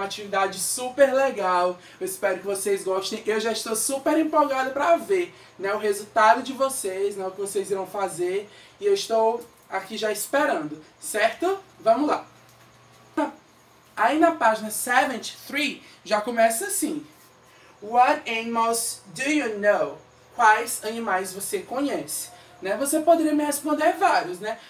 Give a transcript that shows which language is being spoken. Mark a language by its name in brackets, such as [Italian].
[Portuguese] Uma atividade super legal. Eu espero que vocês gostem. Eu já estou super empolgada para ver, né, o resultado de vocês, né, o que vocês irão fazer, e eu estou aqui já esperando, certo? Vamos lá. Aí na página 73, já começa assim. [English] What animals do you know? [Portuguese] Quais animais você conhece? Né? Você poderia me responder vários, né?